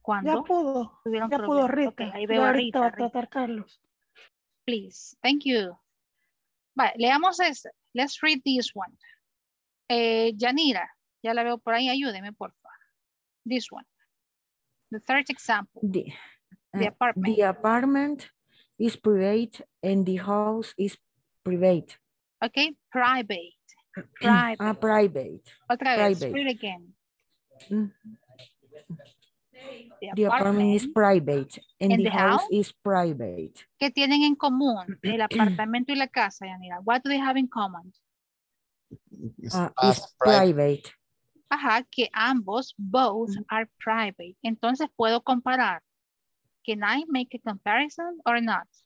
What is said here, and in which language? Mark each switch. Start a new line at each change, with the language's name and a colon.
Spanish: ¿Cuándo? Ya pudo. ¿Tuvieron ya problemas? Pudo, Rita. Okay, ahí veo ahorita Rita, va Rita. A tratar Carlos.
English: Please, thank you.
Spanish: Vale, leamos este.
English: Let's read this one.
Spanish: Yanira, ya la veo por ahí, ayúdeme, porfa.
English: This one. The third example. The apartment. The apartment is private and the house is private. Okay, private. Private. Private.
Spanish: Otra vez,
English: private. Read again. The apartment is private and the house is private.
Spanish: ¿Qué tienen en común el apartamento y la casa, Yanira?
English: What do they have in common? It's private.
Spanish: Ajá, que ambos,
English: both are private.
Spanish: Entonces, ¿puedo comparar?
English: Can I make a comparison or not?